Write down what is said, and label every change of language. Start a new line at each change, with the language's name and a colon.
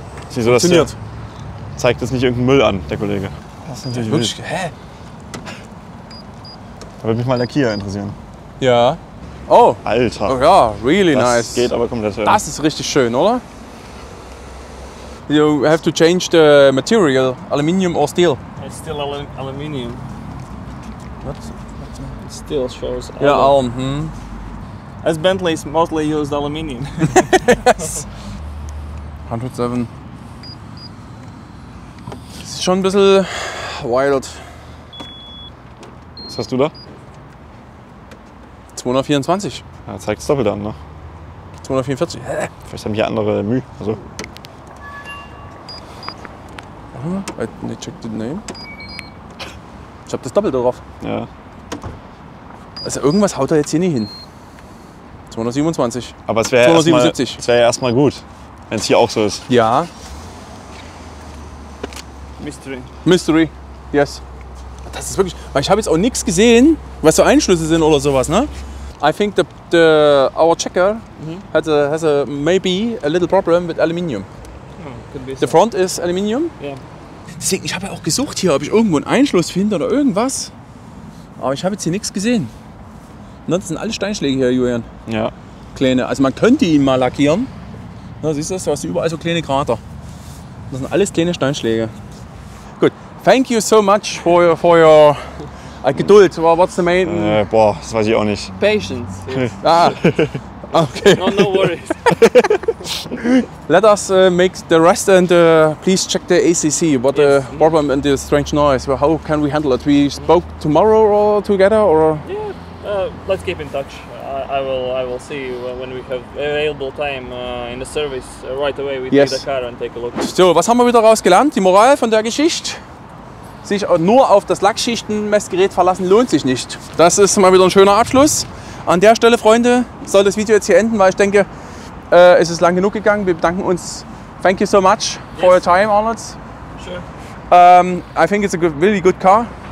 German: Sieht so, funktioniert. Dass zeigt es nicht irgendeinen Müll an, der Kollege. Das ist natürlich wirklich, hä? Da würde mich mal der Kia interessieren. Ja. Oh. Alter. Oh ja,
English: really
German: das nice. Das geht aber komplett schön. Das ist richtig schön, oder?
English: You have to change the material, aluminium or steel? It's still aluminium. What? Steel shows alum. Yeah, alum. Hmm. As Bentley is mostly used aluminium. Yes. 107. It's
German: schon ein bisschen wild. Was hast du da? 224. Ja, zeigt es doppelt an, ne? 244. Vielleicht haben hier andere Mühe. Also.
English: I checked the name.
German: Ich hab das Doppelte drauf. Ja. Also irgendwas haut er jetzt hier nicht hin. 227. Aber es wäre erstmal gut, wenn es hier auch so ist. Ja.
English: Mystery. Mystery, yes.
German: Das ist wirklich, weil ich habe jetzt auch nichts gesehen, was so Einschlüsse sind oder sowas, ne?
English: I think our checker has a maybe a little problem with aluminium. The front is aluminium. Yeah.
German: Deswegen, ich habe ja auch gesucht hier, ob ich irgendwo einen Einschluss finde oder irgendwas. Aber ich habe jetzt hier nichts gesehen. Na, das sind alle Steinschläge hier, Julian. Ja. Kleine. Also man könnte ihn mal lackieren. Na, siehst du das? Du hast überall so kleine Krater. Das sind alles kleine Steinschläge. Gut.
English: Thank you so much for your
German: Geduld.
English: What's the main?
German: Boah, das weiß ich auch nicht.
English: Patience. Ah. Okay. No worries. Let us make the rest and please check the ACC. What the problem and the strange noise? Well, how can we handle it? We spoke tomorrow or together or? Yeah, let's keep in touch. I will see you when we have available time in the service right away. We take the car and take a look.
German: So, was haben wir wieder rausgelernt? Die Moral von der Geschichte? Sich nur auf das Lackschichtenmessgerät verlassen lohnt sich nicht. Das ist mal wieder ein schöner Abschluss. An der Stelle, Freunde, soll das Video jetzt hier enden, weil ich denke, es ist lang genug gegangen. Wir bedanken uns.
English: Thank you so much for your time, Arnold. Sure. I think it's a good, really good car.